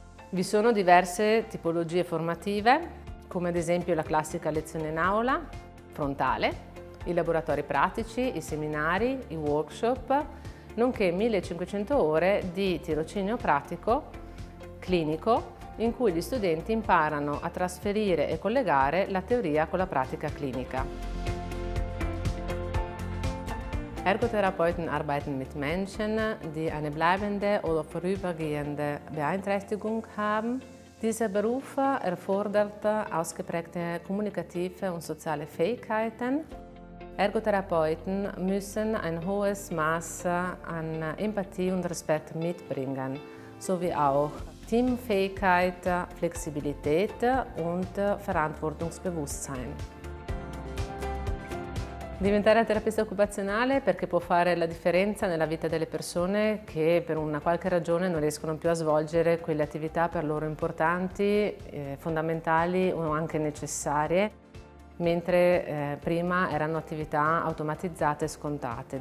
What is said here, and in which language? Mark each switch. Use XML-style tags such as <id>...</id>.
<it>Vi sono diverse tipologie formative, come ad esempio la classica lezione in aula frontale, i laboratori pratici, i seminari, i workshop, nonché 1500 ore di tirocinio pratico clinico in cui gli studenti imparano a trasferire e collegare la teoria con la pratica clinica.</it> <de>Ergotherapeuten arbeiten mit Menschen, die eine bleibende oder vorübergehende Beeinträchtigung haben. Dieser Beruf erfordert ausgeprägte kommunikative und soziale Fähigkeiten. Ergotherapeuten müssen ein hohes Maß an Empathie und Respekt mitbringen, sowie auch Teamfähigkeit, Flexibilität und Verantwortungsbewusstsein.</de> <it>Diventare terapista occupazionale perché può fare la differenza nella vita delle persone che per una qualche ragione non riescono più a svolgere quelle attività per loro importanti, fondamentali o anche necessarie, mentre prima erano attività automatizzate e scontate.</it>